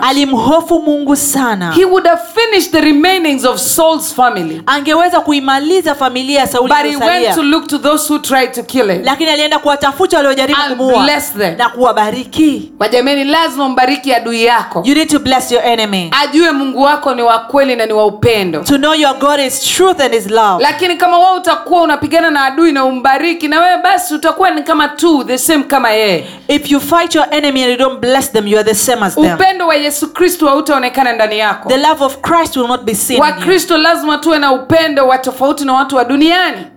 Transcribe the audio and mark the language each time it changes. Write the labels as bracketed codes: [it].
[sw] Alimhofu Mungu sana. [en] He would have finished the remainings of Saul's family. [sw] Angeweza kuimaliza familia ya Sauli. [en] But he went to look to those who tried to kill him. [sw] Lakini alienda kuwatafuta waliojaribu kumuua. [en] And bless them. [sw] Na kuwabariki. Wajameni, lazima mbariki adui yako. [en] You need to bless your enemy. [sw] Ajue Mungu wako ni wa kweli na ni wa upendo. [en] To know your God is truth and is love. [sw] Lakini kama wewe utakuwa unapigana na adui na umbariki na wewe basi utakuwa ni kama tu [en] the same [sw] kama yeye. [en] If you fight your enemy and you don't bless them, you are the same as them. [sw] Upendo wa Yesu Kristo hautaonekana ndani yako. [en] The love of Christ will not be seen in you. [sw] Wa Kristo lazima tuwe na upendo wa tofauti na watu wa duniani.